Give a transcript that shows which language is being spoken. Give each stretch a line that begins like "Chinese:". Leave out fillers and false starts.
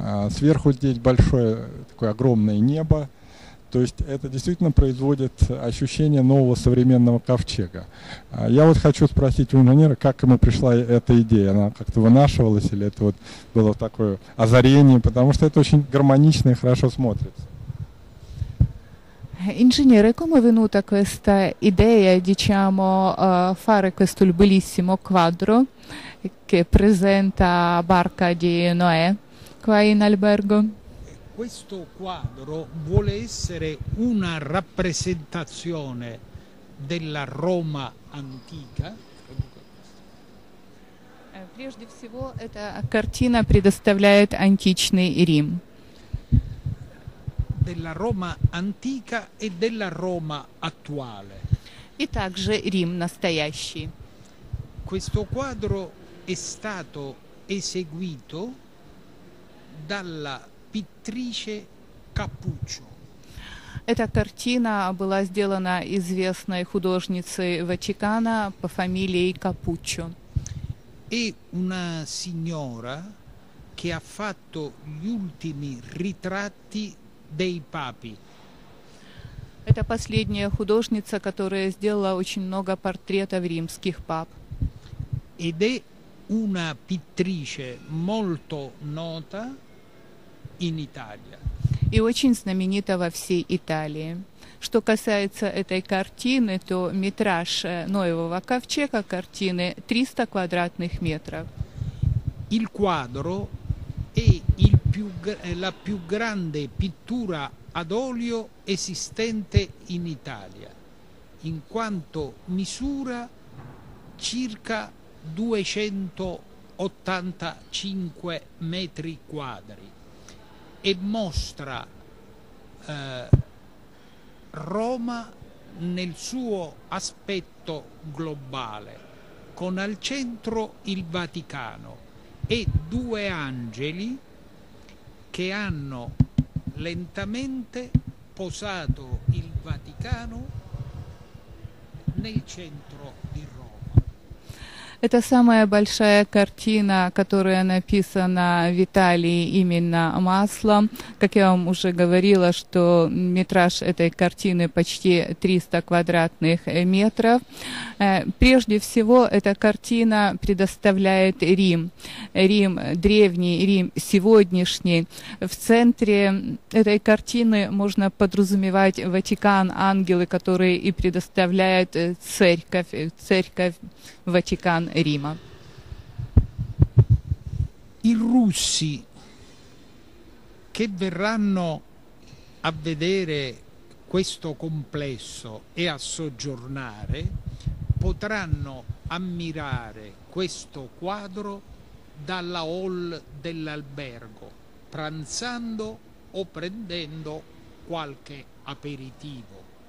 Russian: Сверху здесь большое, такое огромное небо. То есть это действительно производит ощущение нового современного ковчега. Я вот хочу спросить у инженера, как ему пришла эта идея. Она как-то вынашивалась или это вот было такое озарение? Потому что это очень гармонично и хорошо смотрится.
Italian: Inginer, come è venuta questa idea, diciamo, fare questo bellissimo quadro che presenta Barca di Noè qua in albergo? Questo quadro vuole essere una rappresentazione della Roma antica.
Russian: Прежде всего, эта картина предоставляет античный Рим.
Italian: Della Roma antica e della Roma attuale.
Russian: И также Рим настоящий.
Italian: Questo quadro è stato eseguito dalla pittrice Capuccio.
Russian: Эта картина была сделана известной художницей Ватикана по фамилии Капуччо.
Italian: E una signora che ha fatto gli ultimi ritratti dei papi.
Russian: Это последняя художница, которая сделала очень много портретов римских пап.
Italian: Ed è una pittrice molto nota in Italia.
Russian: И очень знаменита во всей Италии. Что касается этой картины, то метраж Ноевого ковчега картины 300 квадратных метров.
Italian: Il quadro è il più, la più grande pittura ad olio esistente in Italia, in quanto misura circa 285 metri quadri e mostra Roma nel suo aspetto globale, con al centro il Vaticano e due angeli che hanno lentamente posato il Vaticano nel centro di Roma.
Russian: Это самая большая картина, которая написана в Италии именно маслом. Как я вам уже говорила, что метраж этой картины почти 300 квадратных метров. Прежде всего, эта картина предоставляет Рим. Рим древний, Рим сегодняшний. В центре этой картины можно подразумевать Ватикан, ангелы, которые и предоставляют церковь, церковь Ватикан. Рима.
Italian: I russi che verranno a vedere questo complesso e a soggiornare potranno ammirare questo quadro dalla hall dell'albergo, pranzando o prendendo qualche aperitivo.